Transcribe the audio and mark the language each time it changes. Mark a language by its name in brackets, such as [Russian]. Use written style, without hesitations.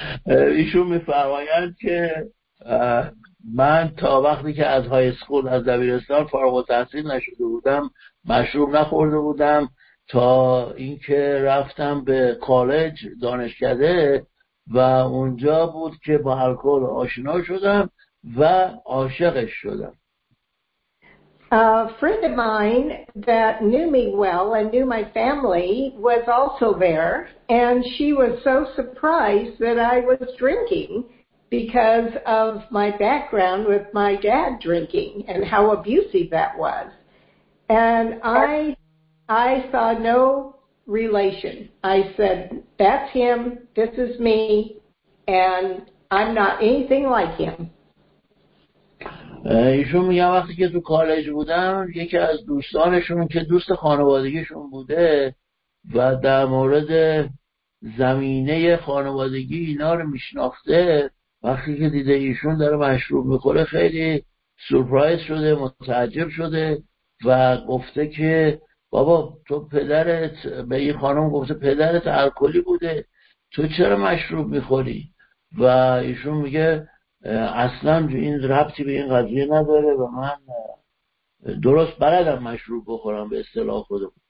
[Persian] ایشون میفرماید که من تا وقتی که از [English] high school [Persian] از دبیرستان فارغ التحصیل نشده بودم مشروب نخورده بودم، تا اینکه رفتم به کالج دانشکده و اونجا بود که با الکل آشنا شدم و عاشقش شدم. [English] A friend of mine that knew me well and knew my family was also there, and she was so surprised that I was drinking because of my background with my dad drinking and how abusive that was. And I saw no relation. I said, that's him, this is me, and I'm not anything like him. [Persian] ایشون میگه وقتی که تو کالج بودم یکی از دوستانشون که دوست خانوادگیشون بوده و در مورد زمینه خانوادگی اینا رو میشناخته، وقتی که دیده ایشون داره مشروب میخوره خیلی سورپرایز شده، متعجب شده و گفته که بابا تو پدرت، به این خانم گفته پدرت الکلی بوده، تو چرا مشروب میخوری؟ و ایشون میگه اصلا این ربطی به این قضیه نداره و من درست بلدم مشروب بخورم به اصطلاح خودم.